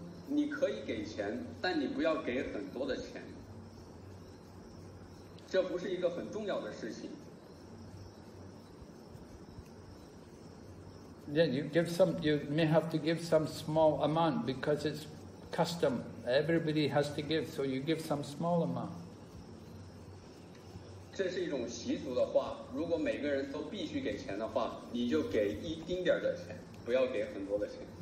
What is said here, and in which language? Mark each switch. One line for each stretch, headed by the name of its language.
Chinese: 你可以给钱，但你不要给很多的钱。这不是一个很重要的事情。
English: Yeah, you may have to give some small amount because it's custom. Everybody has to give, so you give some small amount.
Chinese: 这是一种习俗的话，如果每个人都必须给钱的话，你就给一丁点的钱，不要给很多的钱。